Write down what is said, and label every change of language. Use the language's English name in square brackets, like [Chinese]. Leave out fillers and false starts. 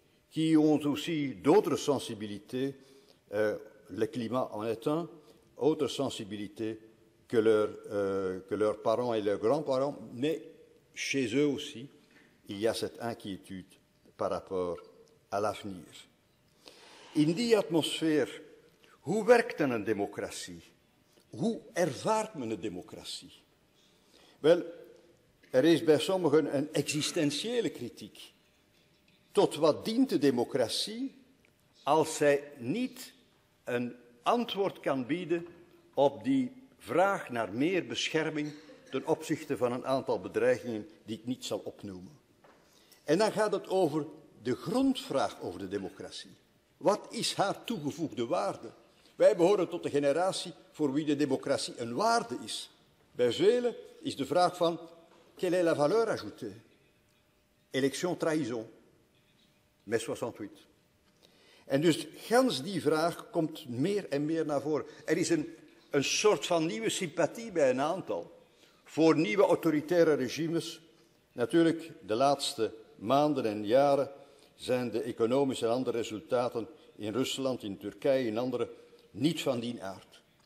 [French] qui ont aussi d'autres sensibilités, le climat en est un, autre sensibilité que leurs parents et leurs grands-parents, mais chez eux aussi, il y a cette inquiétude par rapport à l'avenir. [Dutch] In die atmosphère, hoe werkt dan een democratie? Hoe ervaart men een democratie? Wel, er is bij sommigen een existentiële kritiek. Tot wat dient de democratie als zij niet een antwoord kan bieden op die vraag naar meer bescherming ten opzichte van een aantal bedreigingen die ik niet zal opnoemen. En dan gaat het over de grondvraag over de democratie. Wat is haar toegevoegde waarde? Wij behoren tot de generatie voor wie de democratie een waarde is. Bij velen is de vraag van, [French] quelle est la valeur ajoutée? Élection trahison, mai 68. [Dutch] En dus gans die vraag komt meer en meer naar voren. Er is een soort van nieuwe sympathie bij een aantal voor nieuwe autoritaire regimes. Natuurlijk, de laatste maanden en jaren zijn de economische en andere resultaten in Rusland, in Turkije, in andere, niet van die aard.